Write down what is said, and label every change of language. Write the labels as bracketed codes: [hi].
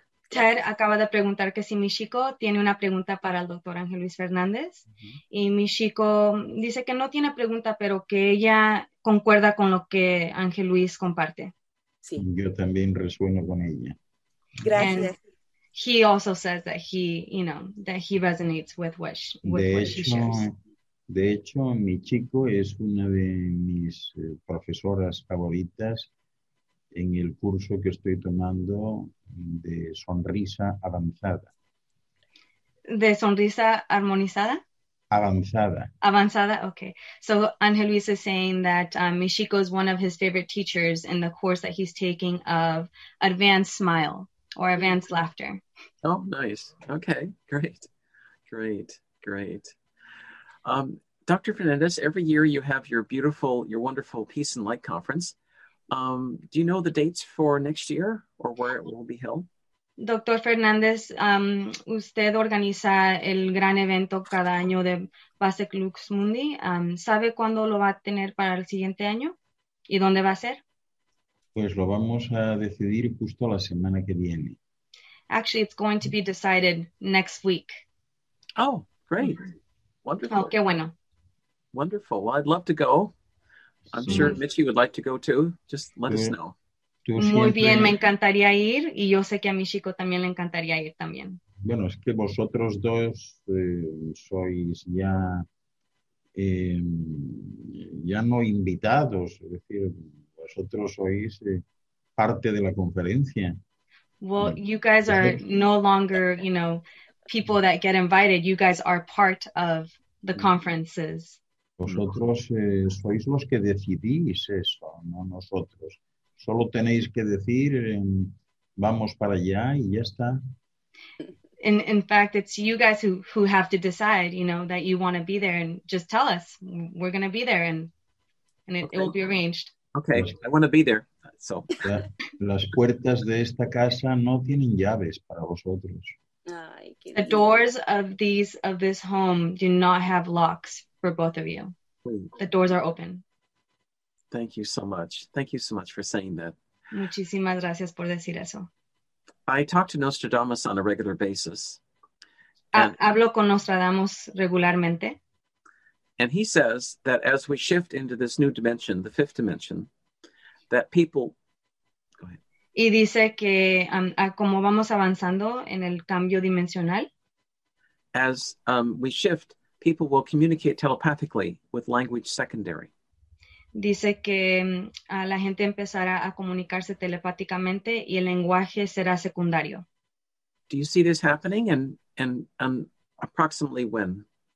[es] Ted acaba de preguntar que si Michiko tiene una pregunta para el Dr. Ángel Luis Fernández. Y Michiko dice que no tiene pregunta, pero que ella concuerda con lo que Ángel Luis comparte. Sí. Yo también resueno con ella. Gracias. [en] And he also says that he resonates with what she shares. [es] De hecho, Michiko es una de mis profesoras favoritas en el curso que estoy tomando de sonrisa avanzada. ¿De sonrisa armonizada? Avanzada. Avanzada, okay. [en] So, Angel Luis is saying that Michiko is one of his favorite teachers in the course that he's taking of advanced smile or advanced laughter. Oh, nice. Okay, great. Great, great. Dr. Fernandez, every year you have your beautiful, your wonderful Peace and Light Conference. Do you know the dates for next year or where it will be held? Dr. [es] Fernandez, usted organiza el gran evento cada año de Pacific Lux Mundi. ¿Sabe cuándo lo va a tener para el siguiente año y dónde va a ser? Pues lo vamos a decidir justo la semana que viene. [en] Actually, it's going to be decided next week. Oh, great. Wonderful. [es] Oh, qué bueno. [en] Wonderful. Well, I'd love to go. I'm sure Michi would like to go too. Just let us know. [es] Muy bien, me encantaría ir y yo sé que a Michiko también le encantaría ir también. Bueno, es que vosotros dos sois ya no invitados, es decir, vosotros sois parte de la conferencia. [en] Well, you guys are no longer, people that get invited. You guys are part of the conferences. [es] Vosotros sois los que decidís eso, no nosotros. Solo tenéis que decir, vamos para allá y ya está. [en] In fact, it's you guys who have to decide, you know, that you want to be there, and just tell us. We're going to be there, and it, okay, it will be arranged. Okay, I want to be there. So. [es] Las puertas de esta casa no tienen llaves para vosotros. [en] The doors of these of this home do not have locks for both of you. Please. The doors are open. Thank you so much. Thank you so much for saying that. [es] Muchísimas gracias por decir eso. [en] I talk to Nostradamus on a regular basis. [es] Hablo con Nostradamus regularmente. [en] And he says that as we shift into this new dimension, the fifth dimension, that people... Go ahead. [es] Y dice que como vamos avanzando en el cambio dimensional. [en] As we shift, people will communicate telepathically with language secondary. [es] Dice que la gente empezará a comunicarse telepáticamente y el lenguaje será secundario. [en] Do you see this happening and approximately when?